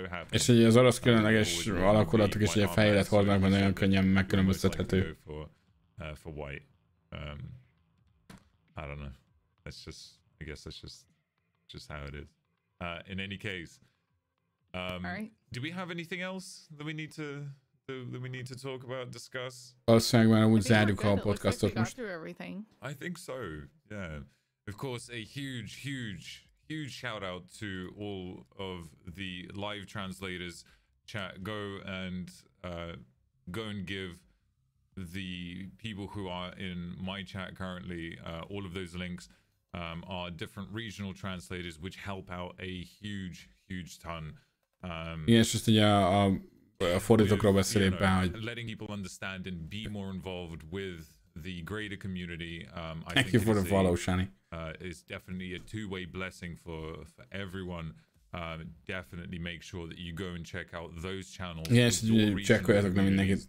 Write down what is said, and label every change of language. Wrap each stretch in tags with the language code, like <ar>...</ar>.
<hu>És ugye az orosz különleges alakulatok is ugye fehéret hordnak, mert nagyon könnyen megkülönböztethető.</hu> <en>For white. I don't know. That's just, I guess that's just how it is. In any case. Alright. Do we have anything else that we need to talk about, discuss?</en> <hu>Valószínűleg már úgy zárjuk a podcastot most.</hu> <en>I think so, yeah. Of course, a huge shout out to all of the live translators chat. Go and give the people who are in my chat currently all of those links. Are different regional translators which help out a huge ton. Yeah, it's just a</en> <hu>fordítókról beszél éppen, hogy</hu> <en>letting people understand and be more involved with the greater community. Thank you for the follow, Shani. Is definitely a two-way blessing for everyone. Definitely make sure that you go and check out those channels. Yes, check out.</en>